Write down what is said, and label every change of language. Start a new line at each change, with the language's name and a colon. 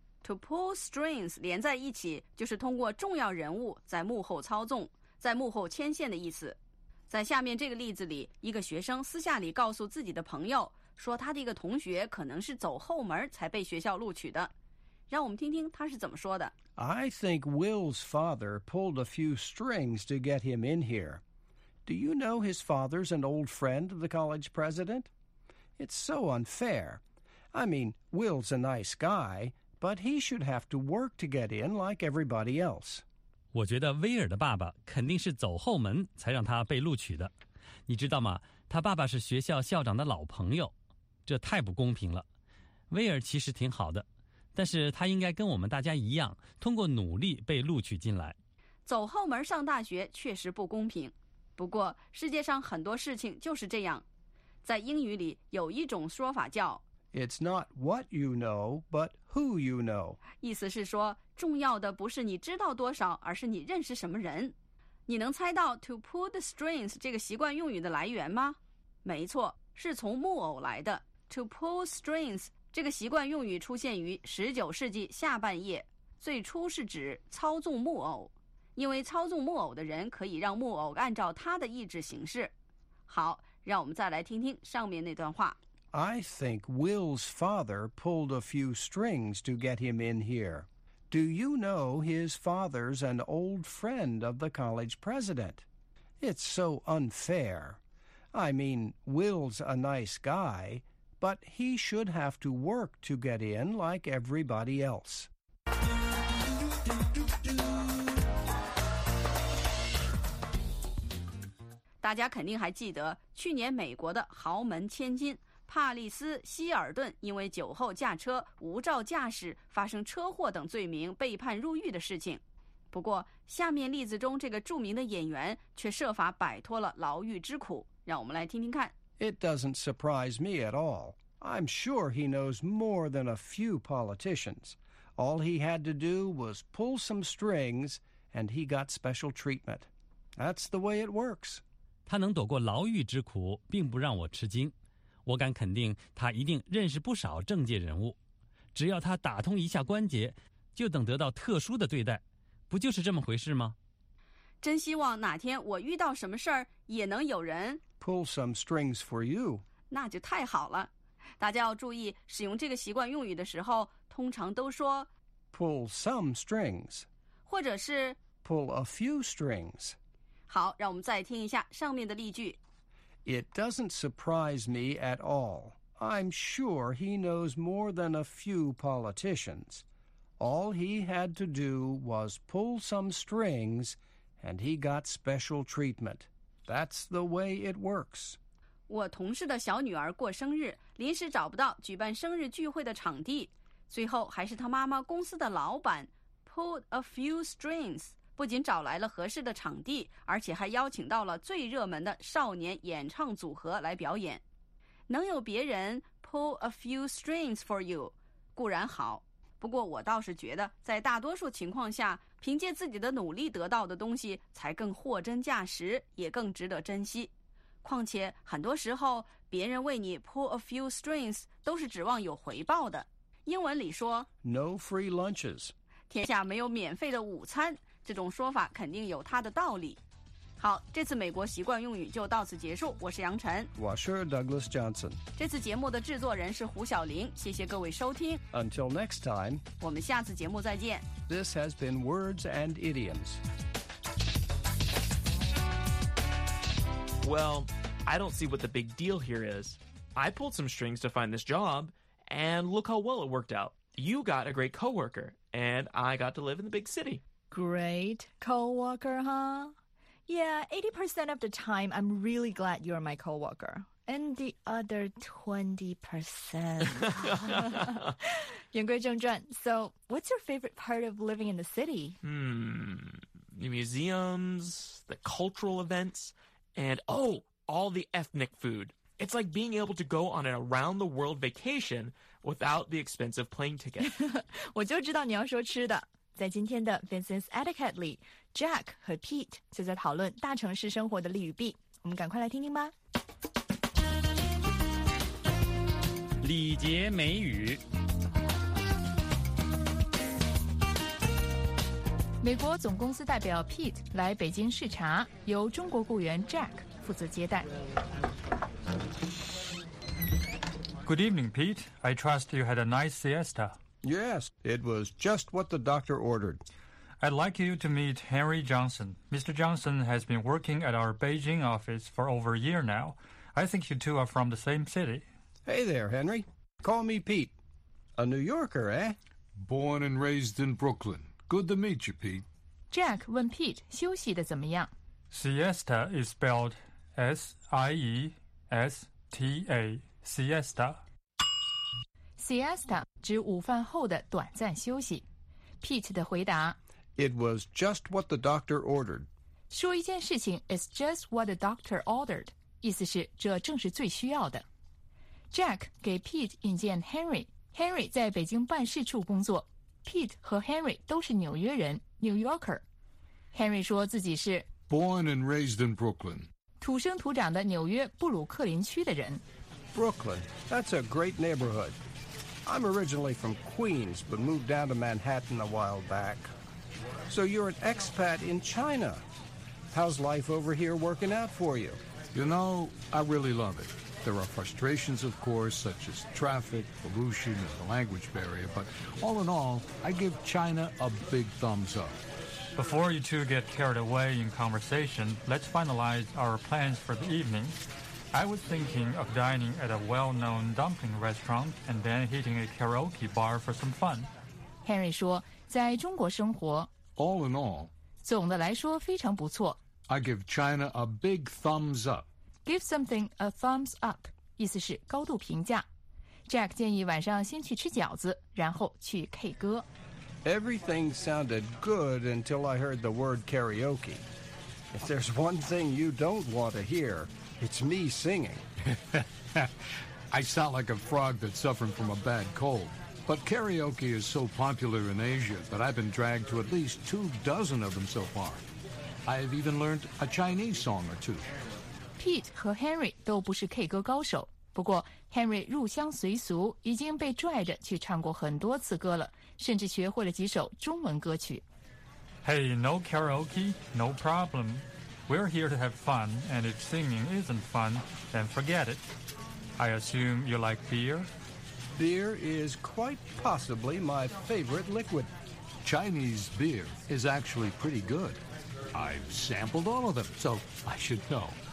English: To pull strings
Chinese: 连在一起，就是通过重要人物在幕后操纵，在幕后牵线的意思。在下面这个例子里，一个学生私下里告诉自己的朋友，说他的一个同学可能是走后门才被学校录取的。让我们听听他是怎么说的。
English: I think Will's father pulled a few strings to get him in here. Do you know his father's an old friend of the college president? It's so unfair. I mean, Will's a nice guy. But he should have to work to get in like everybody else.
Chinese: 我觉得威尔的爸爸肯定是走后门才让他被录取的。你知道吗？他爸爸是学校校长的老朋友，这太不公平了。威尔其实挺好的，但是他应该跟我们大家一样，通过努力被录取进来。走后门上大学确实不公平，不过世界上很多事情就是这样。在英语里有一种说法叫
English: It's not what you know, but who you know.
Chinese: 意思是说，重要的不是你知道多少，而是你认识什么人。你能猜到
English: to pull the strings
Chinese: 这个习惯用语的来源吗？没错，是从木偶来的。
English: To pull strings
Chinese: 这个习惯用语出现于19世纪下半叶，最初是指操纵木偶，因为操纵木偶的人可以让木偶按照他的意志行事。好，让我们再来听听上面那段话。
English: I think Will's father pulled a few strings to get him in here. Do you know his father's an old friend of the college president? It's so unfair. I mean, Will's a nice guy, but he should have to work to get in like everybody else.
Chinese: 大家肯定还记得去年美国的豪门千金帕利斯·希尔顿因为酒后驾车、无照驾驶、发生车祸等罪名被判入狱的事情。不过，下面例子中这个著名的演员却设法摆脱了牢狱之苦。让我们来听听看。
English: It doesn't surprise me at all. I'm sure he knows more than a few politicians. All he had to do was pull some strings, and he got special treatment. That's the way it works.
Chinese: 他能躲过牢狱之苦，并不让我吃惊。我敢肯定他一定认识不少政界人物，只要他打通一下关节，就等得到特殊的对待，不就是这么回事吗？真希望哪天我遇到什么事儿，也能有人
English: pull some strings for you，
Chinese: 那就太好了。大家要注意，使用这个习惯用语的时候，通常都说
English: pull some strings,
Chinese: 或者是
English: pull a few strings.
Chinese: 好，让我们再听一下上面的例句。
English: It doesn't surprise me at all. I'm sure he knows more than a few politicians. All he had to do was pull some strings, and he got special treatment. That's the way it works.
Chinese: 我同事的小女儿过生日，临时找不到举办生日聚会的场地，最后还是她妈妈公司的老板
English: pulled a few strings.
Chinese: 不仅找来了合适的场地，而且还邀请到了最热门的少年演唱组合来表演。能有别人
English: pull a few strings for you,
Chinese: 固然好。不过我倒是觉得，在大多数情况下，凭借自己的努力得到的东西才更货真价实，也更值得珍惜。况且，很多时候，别人为你
English: pull a few strings
Chinese: 都是指望有回报的。英文里说
English: No free lunches.
Chinese: 天下没有免费的午餐。这种说法肯定有它的道理。好，这次美国习惯用语就到此结束。我是杨晨，我是 Douglas Johnson。这次节目的制作人是胡晓玲，谢谢各位收听。
English: Until next time,
Chinese: 我们下次节目再见。
English: This has been Words and Idioms. Well, I don't see what the big deal here is. I pulled some strings to find this job, and look how well it worked out. You got a great coworker, and I got to live in the big city. Great co-worker, huh? Yeah, 80% of the time, I'm really glad you're my co-worker. And the other 20%.
Chinese: 言归正传
English: So, what's your favorite part of living in the city? The museums, the cultural events, and oh, all the ethnic food. It's like being able to go on an around-the-world vacation without the expensive plane ticket.
Chinese: 我就知道你要说吃的。在今天的 Business Etiquette 里 ,Jack 和 Pete 就在讨论大城市生活的利与弊。我们赶快来听听吧。礼节美语。美国总公司代表 Pete 来北京视察，由中国雇员 Jack 负责接待。
English: Good evening, Pete. I trust you had a nice siesta. Yes, it was just what the doctor ordered. I'd like you to meet Henry Johnson. Mr. Johnson has been working at our Beijing office for over a year now. I think you two are from the same city. Hey there, Henry. Call me Pete. A New Yorker, eh? Born and raised in Brooklyn. Good to meet you, Pete.
Chinese: Jack 问 Pete 休息的怎么样
English: Siesta is spelled S-I-E-S-T-A. Siesta.
Chinese: Siesta 指午饭后的短暂休息。 Pete 的回答
English: It was just what the doctor ordered.
Chinese: 说一件事情
English: is just what the doctor ordered.
Chinese: 意思是这正是最需要的。 Jack 给 Pete 引荐 Henry. Henry 在北京办事处工作。 Pete 和 Henry 都是纽约人 New Yorker. Henry 说自己是
English: Born and raised in Brooklyn.
Chinese: 土生土长的纽约布鲁克林区的人。
English: Brooklyn, that's a great neighborhood. I'm originally from Queens, but moved down to Manhattan a while back. So you're an expat in China. How's life over here working out for you? You know, I really love it. There are frustrations, of course, such as traffic, pollution, and the language barrier. But all in all, I give China a big thumbs up. Before you two get carried away in conversation, let's finalize our plans for the evening. I was thinking of dining at a well-known dumpling restaurant and then hitting a karaoke bar for some fun.
Chinese: Henry 说在中国生活
English: All in all,
Chinese: 总的来说非常不错
English: I give China a big thumbs up. Give something a thumbs up,
Chinese: 意思是高度评价。 Jack 建议晚上先去吃饺子然后去 K 歌。
English: Everything sounded good until I heard the word karaoke. If there's one thing you don't want to hear... It's me singing. I sound like a frog that's suffering from a bad cold. But karaoke is so popular in Asia that I've been dragged to at least 24 of them so far. I have even learned a Chinese song or two.
Chinese: Pete 和 Henry 都不是 K 歌高手。不过 Henry 入乡随俗已经被拽着去唱过很多次歌了甚至学会了几首中文歌曲。
English: Hey, no karaoke, no problem. We're here to have fun, and if singing isn't fun, then forget it. I assume you like beer? beer is quite possibly my favorite liquid. Chinese beer is actually pretty good. I've sampled all of them, so I should know.